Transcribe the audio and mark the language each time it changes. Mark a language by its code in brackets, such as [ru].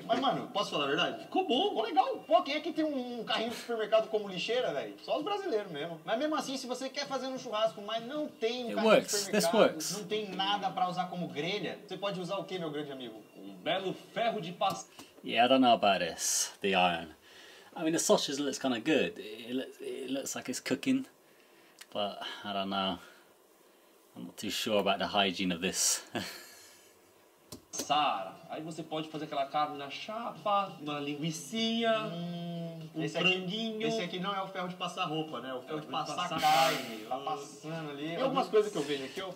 [pt] Mas, mano, posso falar a verdade? Ficou bom. Ficou legal. Pô, quem é que tem um carrinho de supermercado como lixeira, velho? Só os brasileiros mesmo. Mas mesmo assim, se você quer fazer um churrasco, mas não tem um carrinho de supermercado, não tem nada pra usar como grelha, você pode usar o quê, meu grande amigo? Um belo ferro de pasta. [en] Yeah, I don't know about this, the iron. I mean, the sausage looks kind of good. It looks like it's cooking. But, I don't know. I'm not too sure about the hygiene of this. [pt] Sara, aí você pode fazer aquela carne na chapa, uma linguiçinha, um franguinho. Esse aqui não é o ferro de passar roupa, né? O ferro de passar carne, lá passando ali. Tem algumas coisas que eu vejo aqui.